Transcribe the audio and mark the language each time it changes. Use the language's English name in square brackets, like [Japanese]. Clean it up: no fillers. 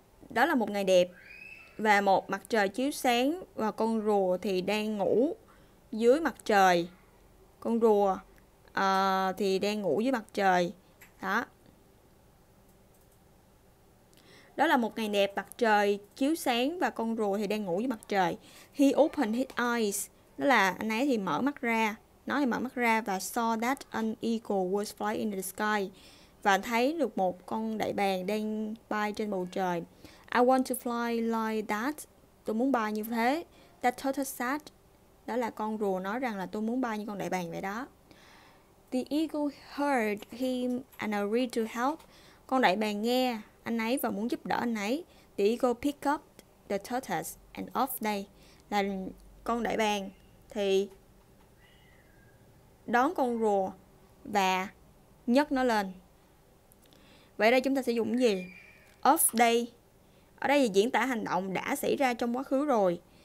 [Vietnamese] Đó là một ngày đẹp và một mặt trời chiếu sáng và con rùa thì đang ngủ dưới mặt trời. Con rùa thì đang ngủ dưới mặt trời. Đó. Đó là một ngày đẹp, mặt trời chiếu sáng và con rùa thì đang ngủ dưới mặt trời. [English] He opened his eyes. [Vietnamese] Đó là anh ấy thì mở mắt ra. Nó thì mở mắt ra và [English] saw that an eagle was flying in the sky. [Vietnamese] Và thấy được một con đại bàng đang bay trên bầu trời. [English] I want to fly like that. [Vietnamese] Tôi muốn bay như thế. [English] That tortoise said. [Vietnamese] Đó là con rùa nói rằng là tôi muốn bay như con đại bàng vậy đó. [English] The eagle heard him and agreed to help. [Vietnamese] Con đại bàng nghe anh ấy và muốn giúp đỡ anh ấy. [English] The eagle picked up the tortoise and off they. [Vietnamese] Là con đại bàng thì đón con rùa và nhấc nó lên. Vậy đây chúng ta sẽ dùng cái gì? Of day. Ở đây thì diễn tả hành động đã xảy ra trong quá khứ rồi.